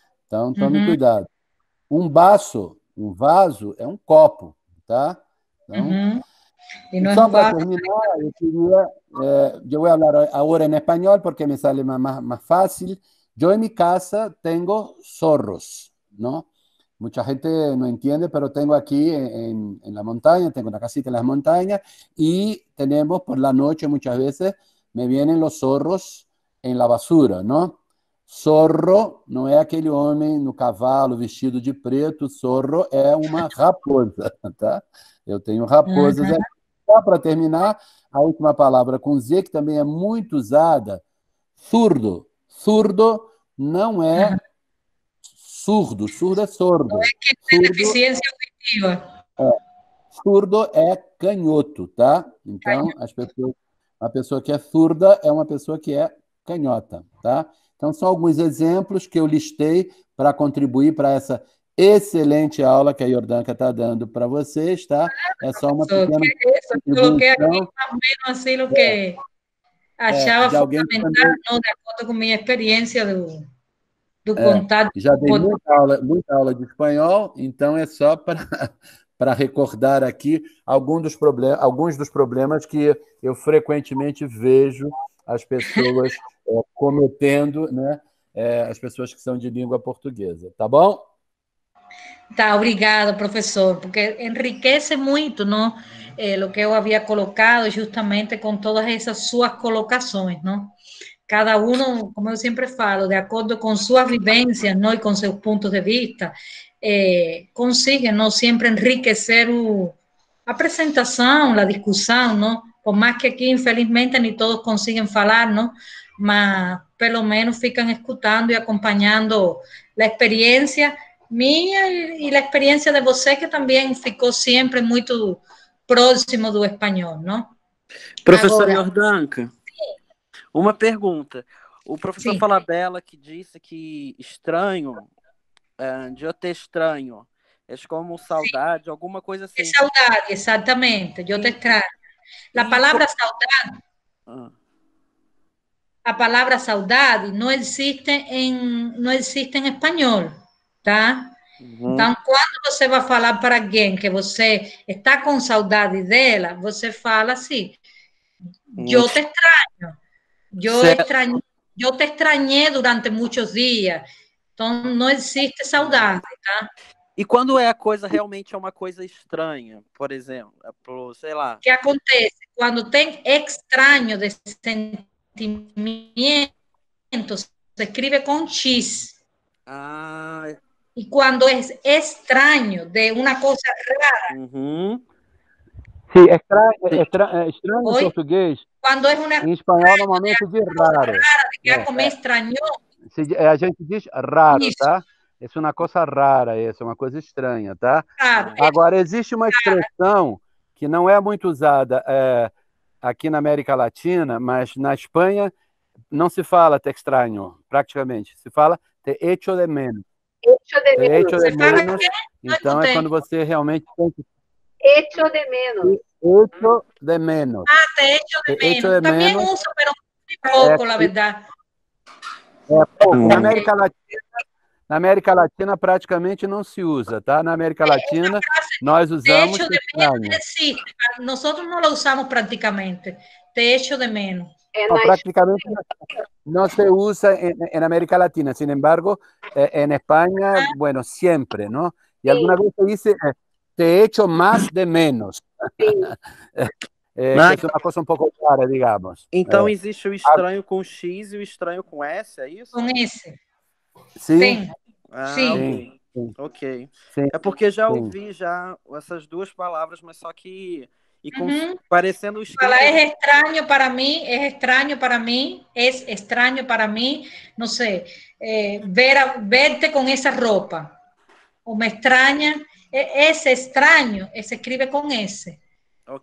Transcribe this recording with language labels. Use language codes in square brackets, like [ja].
[pt] Então, tome cuidado. Um baço, um vaso, é um copo, tá? Então, e só para terminar, eu queria... eu vou falar agora em espanhol, porque [es] me sale [pt] mais fácil. Eu, em minha casa, tenho zorros. [es] ¿No? Mucha gente no entiende, pero tengo aquí en la montaña, tengo una casita en las montañas y tenemos por la noche muchas veces me vienen los zorros en la basura, ¿no? Zorro no es aquel hombre en un caballo vestido de preto, zorro es una raposa, ¿tá? Yo tengo raposas. Uh-huh. Para terminar, la última palabra con Z, que también es muy usada, zurdo. Zurdo no es surdo, surdo é sordo. [pt] Surdo é que tem deficiência auditiva. Surdo é canhoto, tá? Então, a pessoa que é surda é uma pessoa que é canhota, tá? Então, são alguns exemplos que eu listei para contribuir para essa excelente aula que a Iordanka está dando para vocês, tá? É só uma pequena... Eu coloquei aqui mais ou menos assim o que achava fundamental, não, de acordo com minha experiência do... contato. Já dei muita aula de espanhol, então é só para recordar aqui alguns dos problemas que eu frequentemente vejo as pessoas cometendo, né? As pessoas que são de língua portuguesa, tá bom? Tá, obrigado, professor, porque enriquece muito, não? O que eu havia colocado justamente com todas essas suas colocações, não? [es] Cada uno, como yo siempre falo, de acuerdo con sus vivencias, ¿no? Y con sus puntos de vista, consigue, ¿no? Siempre enriquecer la presentación, la discusión, ¿no? Por más que aquí, infelizmente, ni todos consiguen hablar, ¿no? Más, por lo menos, fican escuchando y acompañando la experiencia mía y la experiencia de vosotros, que también ficó siempre muy próximo del español, ¿no? [pt] Profesora Iordanka. Uma pergunta. O professor Falabella que disse que estranho, eu te estranho, é como saudade, sim, alguma coisa assim. É saudade, exatamente, eu te estranho. A palavra saudade, a palavra saudade não existe em espanhol, tá? Então, quando você vai falar para alguém que você está com saudade dela, você fala assim, eu te estranho. [es] Yo te extrañé durante muchos días. Entonces, no existe saudade, ¿tá? Y cuando es cosa realmente una cosa extraña, por ejemplo, [pt] sei lá. [es] ¿Qué acontece? Cuando tem extraño de sentimiento, se escribe con X. Y cuando es extraño de una cosa rara. Sí, extraño en portugués. Cuando es una... En español normalmente es raro. Que algo me extrañó. Sí, [pt] a gente diz raro, isso. Tá? [es] Es una cosa rara, eso, una cosa extraña, tá? Claro. Agora, existe una expresión que no es muy usada aquí en América Latina, [pt] mas na Espanha [es] no se fala te extraño, prácticamente. [pt] Se fala [es] te echo de menos. Echo de menos. Echo de menos. [pt] Então, es cuando você realmente tem que... [es] Echo de menos. Echo de menos. Ah, te echo de menos. Echo de también menos. Uso, pero muy poco, la verdad. En América Latina, [pt] Na América Latina praticamente não se usa, tá? Na América Latina nós usamos. [es] Te echo de menos, sí. Nosotros no lo usamos prácticamente. Te echo de menos. No, prácticamente no se usa en América Latina. Sin embargo, en España, bueno, siempre, ¿no? Y sí. Alguna vez se dice, te echo más de menos. Sí. Es una cosa un poco rara, digamos. Entonces, existe o estranho con X y o estranho con S, ¿es eso? Con S. Sí. [pt] Sim. Sim. Ok. Sim. É porque já ouvi já essas duas palavras, mas só que... E com, parecendo falar é estranho para mim, é estranho para mim, é estranho para mim, não sei, ver-te com essa roupa, ou me estranha, esse estranho, se escreve com esse. Okay.